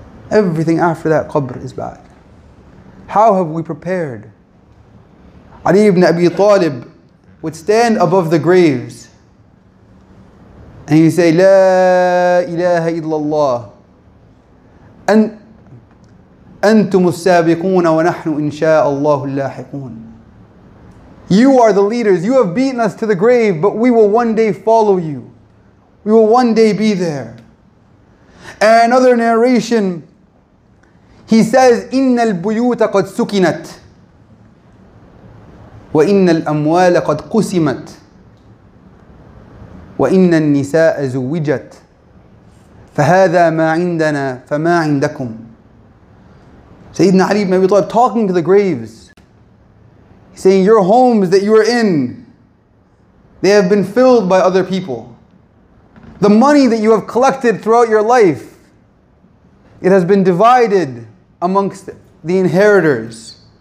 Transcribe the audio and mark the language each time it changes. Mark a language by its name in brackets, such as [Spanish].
[English] Everything after that Qabr is bad. How have we prepared? Ali ibn Abi Talib would stand above the graves and he would say, La ilaha illallah. [Arabic] And أنتم السابقون ونحن إن شاء الله اللاحقون. [English] You are the leaders. You have beaten us to the grave, but we will one day follow you. We will one day be there. And another narration, he says, [Arabic] إن البيوت قد سكنت وإن الأموال قد قسمت وإن النساء زوجت فهذا ما عندنا فما عندكم. [English] Sayyidina Ali ibn Abi Talib talking to the graves. He's saying, your homes that you are in, they have been filled by other people. The money that you have collected throughout your life, it has been divided amongst the inheritors.